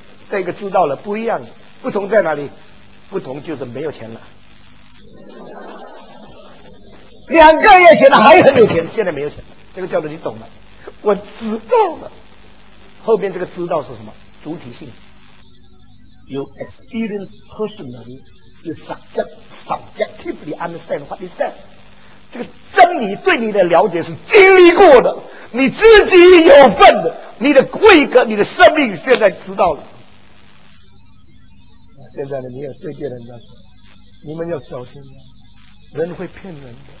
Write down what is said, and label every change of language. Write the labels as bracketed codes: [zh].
[zh] 这个知道了不一样，不同在哪里？不同就是没有钱了。两个月前还很有钱，现在没有钱，这个叫做你懂了。我知道了，后面这个知道是什么？主体性。 [en] You experience personally, you subjectively understand what is that. [zh] 这个真理对你的了解是经历过的，你自己有份的，你的贵格，你的生命现在知道了。现在呢，你也对别人在说，你们要小心，人会骗人的。